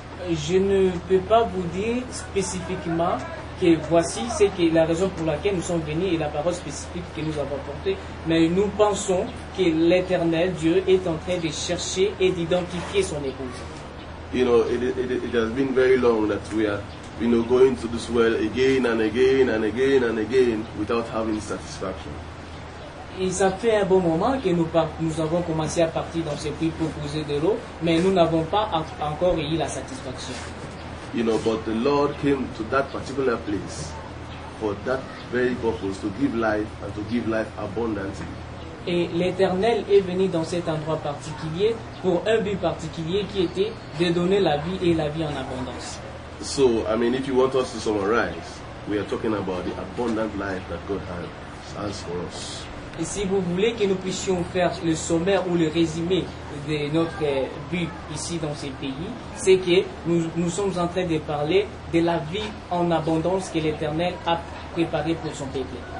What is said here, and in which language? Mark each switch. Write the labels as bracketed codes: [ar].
[fr] Je ne peux pas vous dire spécifiquement que voici c'est que la raison pour laquelle nous sommes venus et la parole spécifique que nous avons portée. Mais nous pensons que l'Éternel Dieu est en train de chercher et d'identifier son épouse. [en] You know, it has been very long that we are, you know, going to this well again and again and again and again without having satisfaction. [fr] Et ça fait un bon moment que nous avons commencé à partir dans ces puits pour puiser de l'eau, mais nous n'avons pas encore eu la satisfaction. [en] You know, but the Lord came to that particular place for that very purpose, to give life and to give life abundantly. [fr] Et l'Éternel est venu dans cet endroit particulier pour un but particulier qui était de donner la vie et la vie en abondance. [en] So, I mean, if you want us to summarize, we are talking about the abundant life that God has for us. [fr] Et si vous voulez que nous puissions faire le sommaire ou le résumé de notre but ici dans ces pays, c'est que nous sommes en train de parler de la vie en abondance que l'Éternel a préparée pour son peuple.